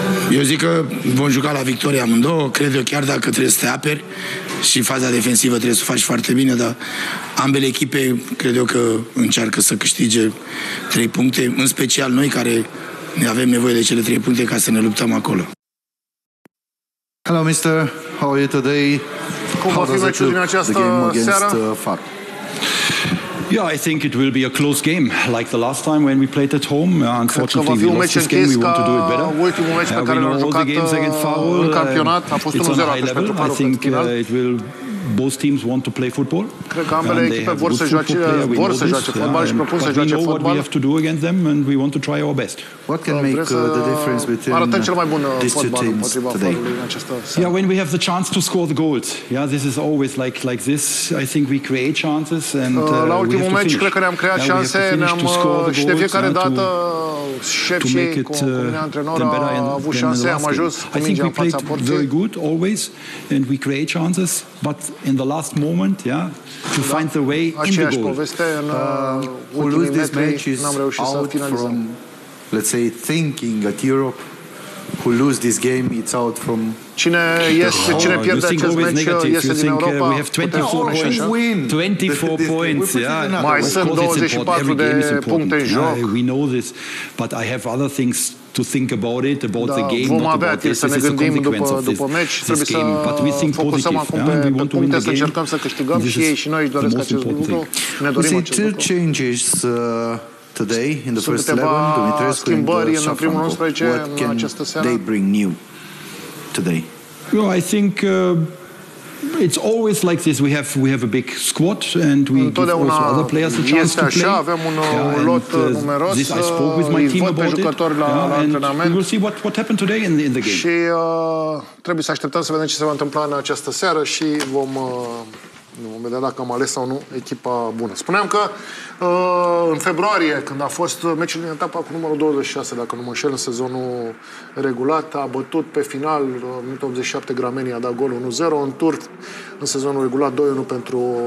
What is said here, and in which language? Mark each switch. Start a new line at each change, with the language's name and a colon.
Romanian: Eu zic că vom juca la Victoria amândouă, cred eu, chiar dacă trebuie să te aperi și faza defensivă trebuie să o faci foarte bine, dar ambele echipe cred eu că încearcă să câștige 3 puncte, în special noi care ne avem nevoie de cele 3 puncte ca să ne luptăm acolo.
English: Hello, mister. How are you today?
Romanian: Cum va fi meciul din această seară?
English: Yeah, I think it will be a close game, like the last time when we played at home. Unfortunately, we lost this game, we want to do it better. We know all the games against Farul, it's on a high level. I think it will, both teams want to play football. And they have good football players, we know this. But we know what we have to do against them and we want to try our best. What can make the difference between these two teams today? Yeah, when we have the chance to score the goals. Yeah, this is always like this. I think we create chances and
Romanian: în ultimul meci, cred că ne-am creat șanse, și de fiecare dată șefii cu antrenor au avut șanse, am ajuns cu mingea în fața porții.
English: Very good always and we create chances, but in the last moment, yeah, to find the way in the goal.
Romanian: Aceeași poveste, în ultimii metri n-am reușit să finalizăm.
English: Let's say thinking at Europe, who lose this game, it's out from...
Romanian: Cine pierde acest meci, iese din Europa.
English: You think we have 24 points, yeah.
Romanian: Mai sunt 24 de puncte în joc.
English: We know this, but I have other things to think about it, about the game, not about this. This is a consequence of this game. But we think positive, and we want to win the game. This is the most important thing. Is it two changes... today in the first 11, Dumitrescu and Safranco, what can they bring new today? Well, I think it's always like this. We have a big squad and we give also other players a chance to play.
Romanian: Avem un lot numeros.
English: This I spoke with my team about it. And we'll see what happened today in the game.
Romanian: Și trebuie să așteptăm să vedem ce se va întâmpla în această seară și vom... Nu vom vedea dacă am ales sau nu echipa bună. Spuneam că în februarie, când a fost meciul din etapa cu numărul 26, dacă nu mă înșel, în sezonul regulat, a bătut pe final, minutul 87, Grameni a dat gol 1-0, în tur, în sezonul regulat, 2-1 pentru